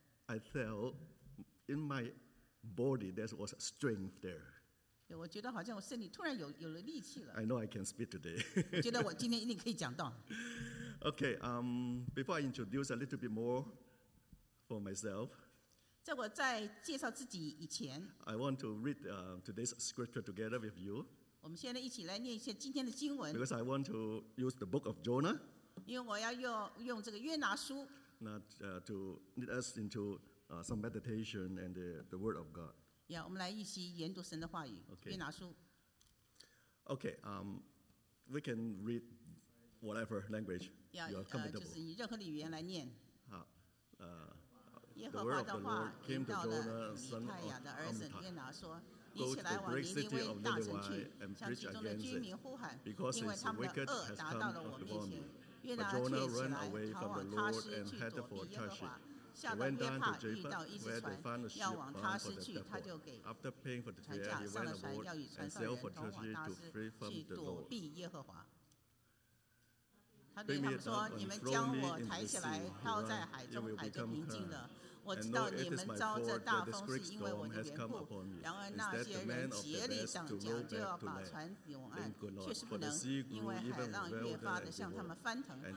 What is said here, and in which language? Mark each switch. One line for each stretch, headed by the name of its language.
English: I felt in my body there was strength there.
Chinese: 我觉得好像我身体突然有了力气了。
English: I know I can speak today.
Chinese: 我觉得我今天一定可以讲到。
English: Okay, before I introduce a little bit more for myself.
Chinese: 在我在介绍自己以前
English: I want to read today's scripture together with you.
Chinese: 我们现在一起来念一些今天的经文
English: Because I want to use the book of Jonah.
Chinese: 因为我要用这个约拿书
English: To lead us into some meditation and the word of God.
Chinese: 要我们来一起研读神的话语
English: Okay.
Chinese: 约拿书
English: Okay, we can read whatever language you are comfortable.
Chinese: 就是以任何的语言来念好
English: The word of the Lord came to Jonah, son of Amittai. Go to the great city of Nineveh and preach against it, because its wicked has come up before me. But Jonah ran away from the Lord and headed for Tarshish. He went down to Joppa, where they found a ship bound for the depot. After paying for the fare, he went aboard and sailed for Tarshish to flee from the Lord.
Chinese: 他对他们说：“你们将我抬起来，倒在海中，海就平静了。我知道你们遭这大风是因为我的缘故。然而那些人竭力上桨，就要把船拧岸，却是不能，因为海浪越发的向他们翻腾。